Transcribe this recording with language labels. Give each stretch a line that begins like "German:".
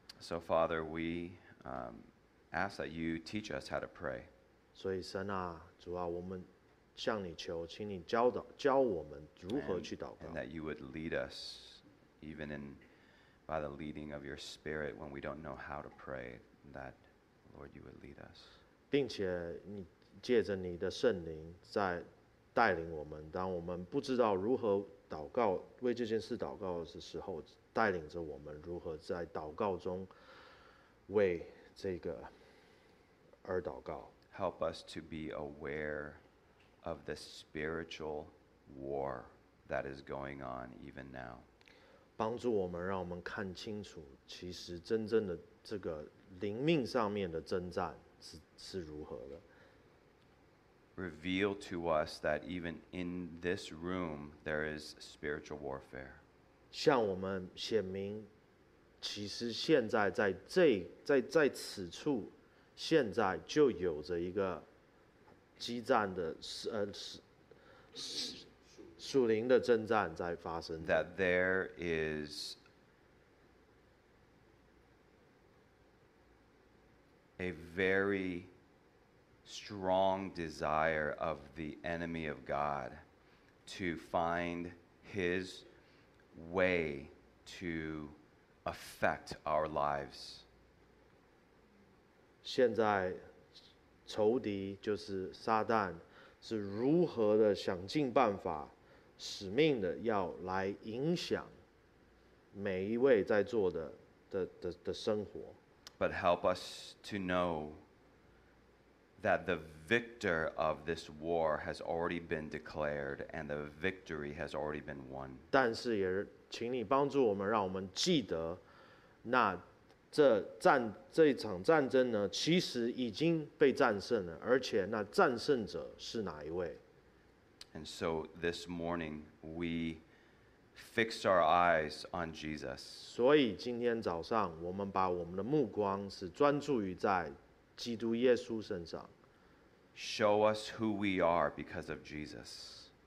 English: So Father, we ask that you teach us how to pray.
Chinese: 所以神啊, 主啊, 我们 向你求, 请你教我们如何去祷告。
English: And that you would lead us, even in by the leading of your Spirit, when we don't know how to pray, that, Lord, you would lead us.
Chinese: 并且你借着你的圣灵, 在带领我们, 当我们不知道如何祷告, 为这件事祷告的时候, 带领着我们如何在祷告中, 为这个而祷告。
English: Help us to be aware of the spiritual war that is going on even now.
Chinese: 帮助我们, 让我们看清楚, 其实真正的这个灵命上面的征战是如何的。
English: Reveal to us that even in this room, there is spiritual warfare.
Chinese: 向我们显明, 其实现在在此处, 现在就有着一个 激战的属灵的征战在发生。
English: That there is a very strong desire of the enemy of God to find his way to affect our lives.
Chinese: 现在仇敌就是撒旦，是如何的想尽办法、使命的要来影响每一位在座的生活。
English: But help us to know that the victor of this war has already been declared, and the victory has already been won.
Chinese: 但是也请你帮助我们，让我们记得，那这场战争呢，其实已经被战胜了，而且那战胜者是哪一位？
English: And so this morning we fix our eyes on Jesus.
Chinese: 所以今天早上我们把我们的目光是专注于在基督耶稣身上。
English: Show us who we are because of Jesus.